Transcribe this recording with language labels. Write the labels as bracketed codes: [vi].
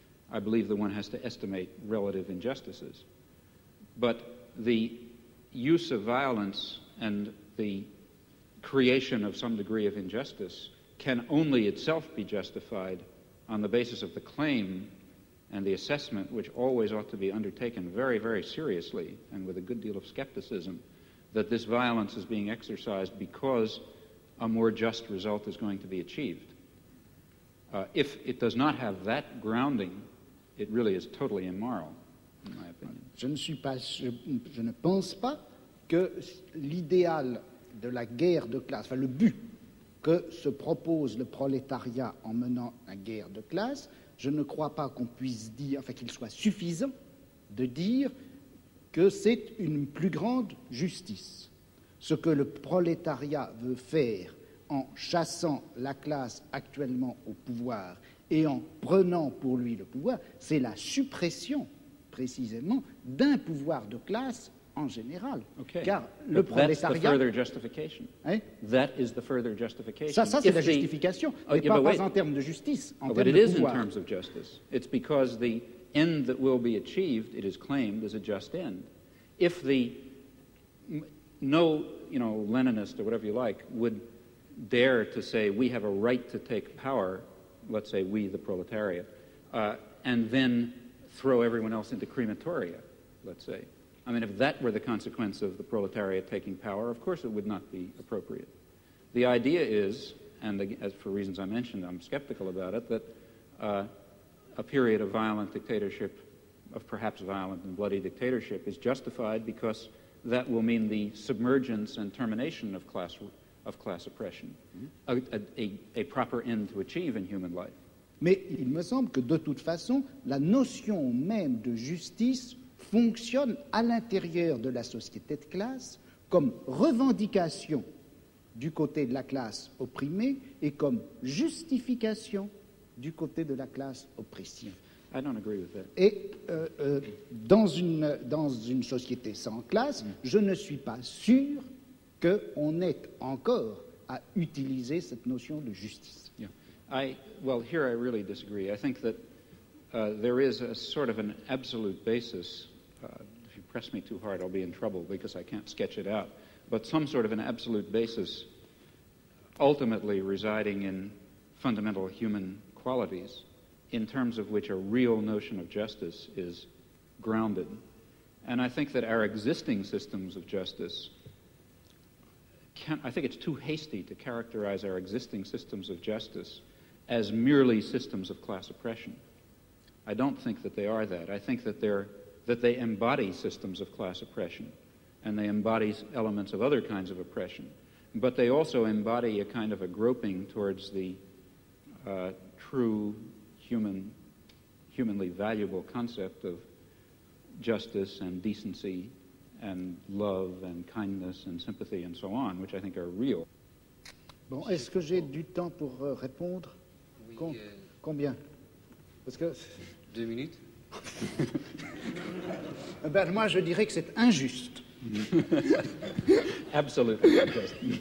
[en] I believe that one has to estimate relative injustices. But the use of violence and the creation of some degree of injustice can only itself be justified on the basis of the claim and the assessment, which always ought to be undertaken very, very seriously and with a good deal of skepticism, that this violence is being exercised because a more just result is going to be achieved. If it does not have that grounding, it really is totally immoral, in my opinion. [fr] Je ne pense pas que l'idéal de la guerre de classe, enfin le but que se propose le prolétariat en menant la guerre de classe, je ne crois pas qu'on puisse dire, enfin qu'il soit suffisant de dire que c'est une plus grande justice. Ce que le prolétariat veut faire en chassant la classe actuellement au pouvoir et en prenant pour lui le pouvoir, c'est la suppression, précisément, d'un pouvoir de classe en général. [en] Okay. [fr] Car [en] but [fr] le prolétariat... [en] That's the justification. [fr] Hein? [en] That is the further justification. [fr] Ça c'est la justification, mais pas en termes de justice, en termes de pouvoir. [en] But it is in terms of justice. It's because the end that will be achieved, it is claimed, is a just end. If the... No, you know, Leninist or whatever you like would dare to say we have a right to take power, let's say we, the proletariat, and then throw everyone else into crematoria, let's say. I mean, if that were the consequence of the proletariat taking power, of course it would not be appropriate. The idea is, and as for reasons I mentioned, I'm skeptical about it, that a period of violent dictatorship, of perhaps violent and bloody dictatorship, is justified because that will mean the submergence and termination of class oppression, a proper end to achieve in human life. [fr] Mais il me semble que de toute façon, la notion même de justice fonctionne à l'intérieur de la société de classe comme revendication du côté de la classe opprimée et comme justification du côté de la classe oppressive. [en] I don't agree with that. [fr] Et dans une société sans classe, je ne suis pas sûr qu'on ait encore à utiliser cette notion de justice. [en] Yeah. Here I really disagree. I think that there is a sort of an absolute basis, if you press me too hard I'll be in trouble because I can't sketch it out, but some sort of an absolute basis ultimately residing in fundamental human qualities in terms of which a real notion of justice is grounded. And I think that our existing systems of justice, I think it's too hasty to characterize our existing systems of justice as merely systems of class oppression. I don't think that they are that. I think that they embody systems of class oppression, and they embody elements of other kinds of oppression. But they also embody a kind of a groping towards the true humanly valuable concept of justice and decency and love and kindness and sympathy and so on, which I think are real. [fr] Bon, est-ce que j'ai du temps pour répondre? Oui, combien? Parce que... 2 minutes. Ben, moi, je dirais que c'est injuste. Absolutely injuste.